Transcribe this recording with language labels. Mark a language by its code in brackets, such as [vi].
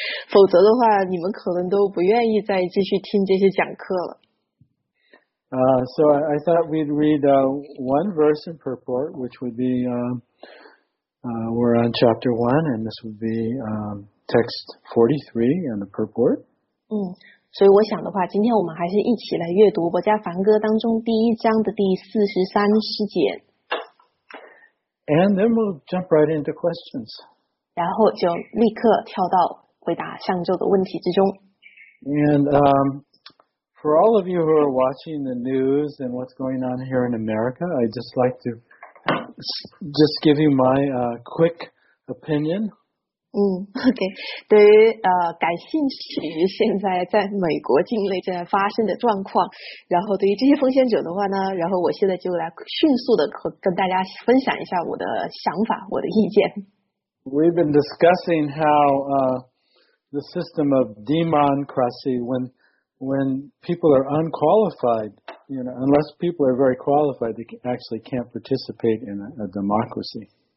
[zh] 否则的话，你们可能都不愿意再继续听这些讲课了。 [en] So I thought we'd read one verse in purport, which would be we're on chapter 1, and this would be text 43 in the purport. [zh] 所以我想的话，今天我们还是一起来阅读《伯加梵歌》当中第一章的第43诗节。 [en] And then we'll jump right into questions. [zh] 然后就立刻跳到回答上周的问题之中。 [en] And for all of you who are watching the news and what's going on here in America, I'd just like to just give you my quick opinion. OK. [zh] 对于感兴趣于现在在美国境内正在发生的状况，然后对于这些奉献者的话呢，然后我现在就来迅速的跟大家分享一下我的想法，我的意见。 [en] We've been discussing how the system of demonocracy, when people are unqualified, you know, unless people are very qualified, they actually can't participate in a democracy.